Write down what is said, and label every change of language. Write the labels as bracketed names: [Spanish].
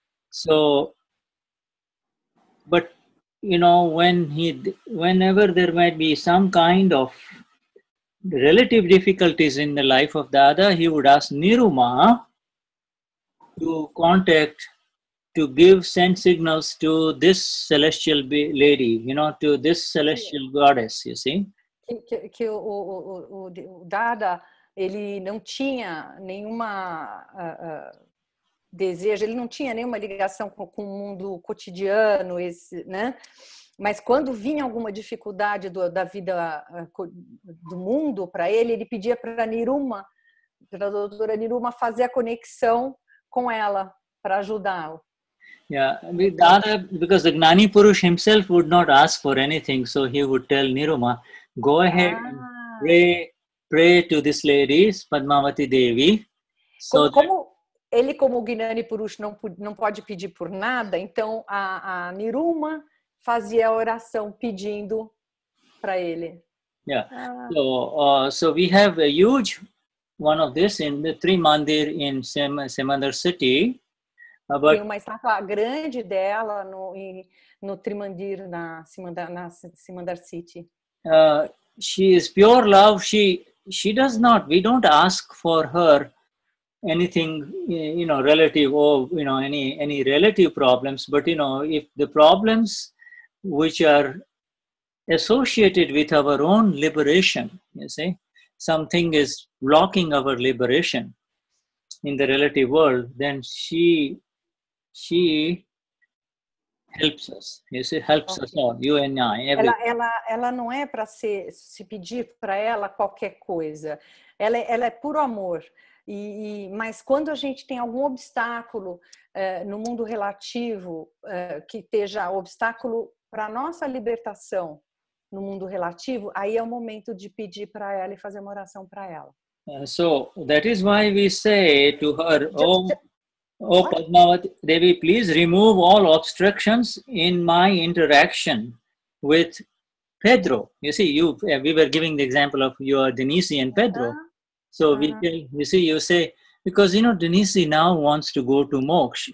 [English] So, but, you know, whenever there might be some kind of relative difficulties in the life of Dada, he would ask Niruma to contact, to give, send signals to this celestial lady, you know, to this celestial goddess, you see. [Portuguese] Que o Dada, ele não tinha nenhuma desejo, ele não tinha nenhuma ligação com o mundo cotidiano, esse, né? Mas quando vinha alguma dificuldade da vida do mundo para ele, ele pedia para Niruma, para a doutora Niruma, fazer a conexão com ela para ajudá-lo. [English] Yeah, Dada, because the Gnani Purush himself would not ask for anything, so he would tell Niruma, go ahead and pray to this lady, Padmavati Devi. [Portuguese] So como o Gnani Purush não pode pedir por nada, então a Niruma fazia a oração pedindo para ele. [English] Yeah. So we have a huge one of this in the three mandir in Semandar city. About... [Portuguese] Tem uma estátua grande dela no Trimandir na Semandar City. [English] She is pure love. She does not. We don't ask for her anything, you know, relative or you know any relative problems. But you know, if the problems which are associated with our own liberation, you see, something is blocking our liberation in the relative world, then she helps us. You see, helps us all, you and I. [Portuguese] Ela não é para se pedir para ela qualquer coisa. Ela é puro amor. Mas quando a gente tem algum obstáculo no mundo relativo, que esteja obstáculo para nossa libertação no mundo relativo, aí é o momento de pedir para ela e fazer uma oração para ela. [English] So that is why we say to her, oh Padmavati Devi, please remove all obstructions in my interaction with Pedro. You see, we were giving the example of your Denise and Pedro. Uh-huh. So you say because you know Denise now wants to go to moksha.